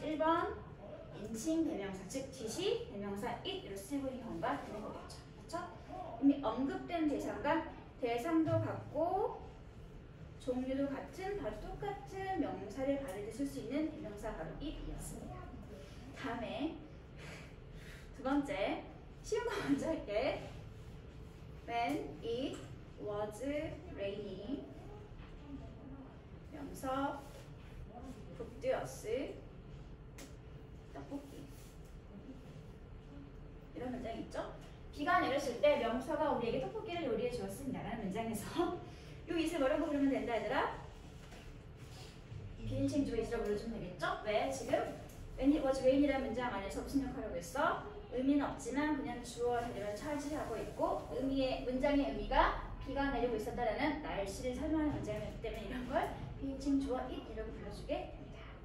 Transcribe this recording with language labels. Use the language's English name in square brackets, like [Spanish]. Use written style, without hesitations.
[Korean] 1번 인칭 대명사 즉 뒷이 대명사 it 이렇게 쓰는 경우가 되는 거겠죠. 그렇죠? 이미 언급된 대상과 대상도 같고 종류도 같은 바로 똑같은 명사를 가르쳐 쓸 수 있는 대명사 바로 it이었습니다. 다음에 두 번째 쉬운 거 먼저 할게. [English] When it was raining, 명서 cooked us 떡볶이. [Korean] 이런 문장이 있죠? 비가 내렸을 때 명서가 우리에게 떡볶이를 요리해 주었습니다라는 문장에서 요 이슬 뭐라고 부르면 된다 얘들아? 비인칭 주어로 불러주면 되겠죠? 왜 지금 [English] When it was raining [Korean] 이라는 문장 안에서 무슨 역할을 하고 있어? 의미는 없지만 그냥 주어 자리를 차지하고 있고 의미의 문장의 의미가 비가 내리고 있었다라는 날씨를 설명하는 문장이기 때문에 이런 걸 비인칭 주어 it이라고 불러주게 됩니다.